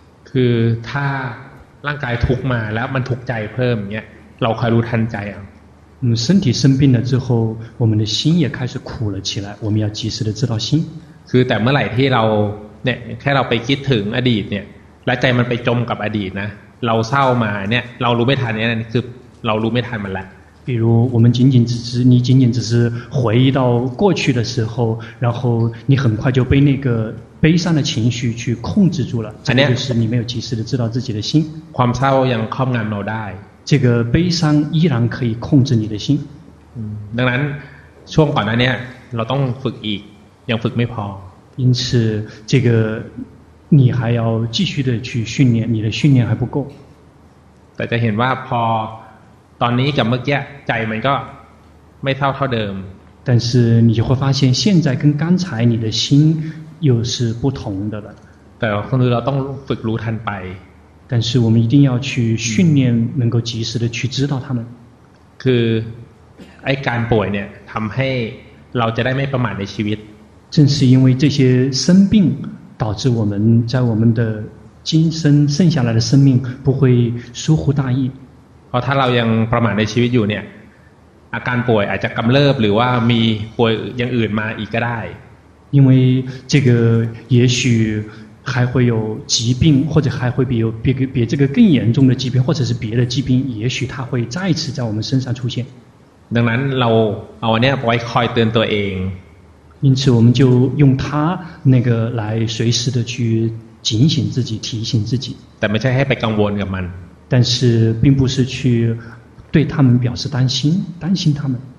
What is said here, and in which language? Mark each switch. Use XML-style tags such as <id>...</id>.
<th>คือถ้าร่างกายทุกข์มาแล้วมันทุกข์ใจเพิ่มเนี้ยเราคอยรู้ทันใจอ่ะ</th> <zh>身体生病了之后我们的心也开始苦了起来我们要及时的知道心</zh> <th>คือแต่เมื่อไหร่ที่เราเนี่ยแค่เราไปคิดถึงอดีตเนี่ยและใจมันไปจมกับอดีตนะเราเศร้ามาเนี่ยเรารู้ไม่ทันเนี่ยคือเรารู้ไม่ทันมันแหละ</th> <zh>比如我们仅仅只是你仅仅只是回忆到过去的时候然后你很快就被那个悲伤的情绪去控制住了这就是你没有及时的知道自己的心</zh> <th>ความเศร้ายังครอบงำเราได้</th> <zh>这个悲伤依然可以控制你的心</zh> <th>ดังนั้นช่วงก่อนหน้านี้เราต้องฝึกอีกยังฝึกไม่พอ</th> <zh>因此这个你还要继续的去训练你的训练还不够</zh> <th>แต่จะเห็นว่าพอตอนนี้กับเมื่อกี้ใจมันก็ไม่เท่าเดิม</th> <zh>但是你就会发现现在跟刚才你的心又是不同的了</zh> <th>แต่คือเราต้องฝึกรู้ทันไป</th> <zh>但是我们一定要去训练能够及时的去知道他们</zh> <th>คือไอ้การป่วยเนี่ยทำให้เราจะได้ไม่ประมาทในชีวิต</th> <zh>正是因为这些生病导致我们在我们的今生剩下来的生命不会疏忽大意</zh> <th>เพราะถ้าเรายังประมาทในชีวิตอยู่เนี่ยอาการป่วยอาจจะกำเริบหรือว่ามีป่วยอย่างอื่นมาอีกก็ได้</th> <zh>因为这个也许还会有疾病或者还会比这个更严重的疾病或者是别的疾病也许它会再次在我们身上出现</zh> <th>ดังนั้นเราเอาอันนี้ไว้คอยเตือนตัวเอง</th> <zh>因此我们就用它那个来随时的去警醒自己提醒自己</zh> <th>แต่ไม่ใช่ให้ไปกังวลกับมัน</th> <zh>但是并不是去对他们表示担心担心他们</zh>